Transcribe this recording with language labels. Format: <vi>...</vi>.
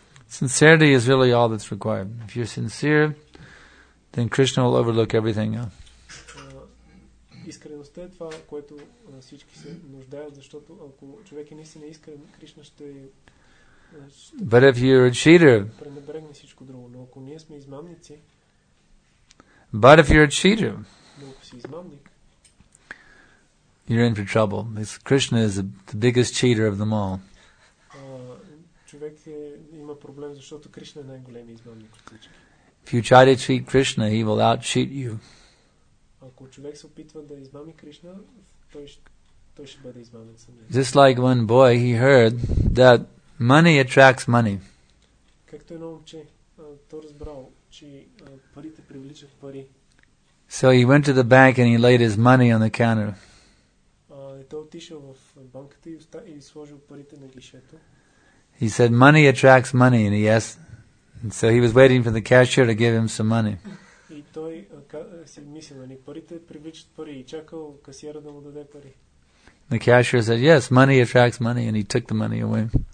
<en>Sincerity is really all that's required. If you're sincere, then Krishna will overlook everything else.</en> <bg>Искреността е това, което всички се нуждаят, защото ако човек е наистина искрен, Кришна ще...</bg> <en>But if you're a cheater,</en> <bg>пренебрегне всичко друго, но ако ние сме измамници,</bg> <en>but if you're a cheater,</en> <bg>но ако си измамник,</bg> <en>you're in for trouble. Krishna is the biggest cheater of them all.</en> <bg>Човек има проблем, защото Кришна е най-големият измамник.</bg> <en>If you try to cheat Krishna, he will out-cheat you.</en> <bg>Ако човек се опитва да измами Кришна, той ще бъде измамен.</bg> <en>Just like one boy, he heard that money attracts money.</en> <bg>Както едно момче, то разбрал, че парите привличат пари.</bg> <en>So he went to the bank and he laid his money on the counter.</en> <bg>Той отишъл в банката и сложил парите на гишето.</bg> <en>He said, money attracts money, and he asked. And so he was waiting for the cashier to give him some money.</en> <bg>И той си мислил, нали, парите привличат пари, и чакал касиера да му даде пари.</bg> <en>The cashier said, yes, money attracts money, and he took the money away.</en>